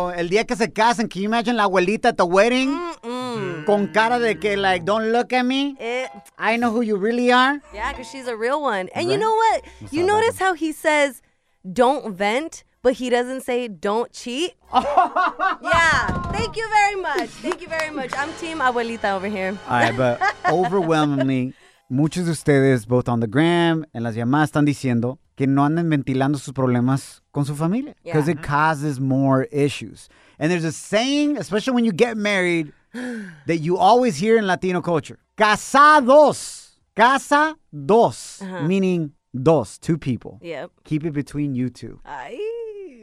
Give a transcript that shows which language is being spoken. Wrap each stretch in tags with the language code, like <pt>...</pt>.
<es>El día que se casan,</es> <en>can you imagine la abuelita at the wedding?</en> <es>Con cara de que,</es> <en>like, don't look at me. I know who you really are. Yeah, because she's a real one. And you know what? You notice how he says, don't vent, but he doesn't say, don't cheat? Yeah. Thank you very much. Thank you very much. I'm team abuelita over here. All right, but overwhelmingly,</en> <es>muchos de ustedes,</es> <en>both on the gram and</en> <es>las llamadas, están diciendo que no andan ventilando sus problemas con su familia.</es> <en>Because it causes more issues. And there's a saying, especially when you get married, that you always hear in Latino culture.</en> <es>Casados. Casa dos. Uh-huh.</es> <en>Meaning dos. Two people. Yep. Keep it between you two. Aye.</en>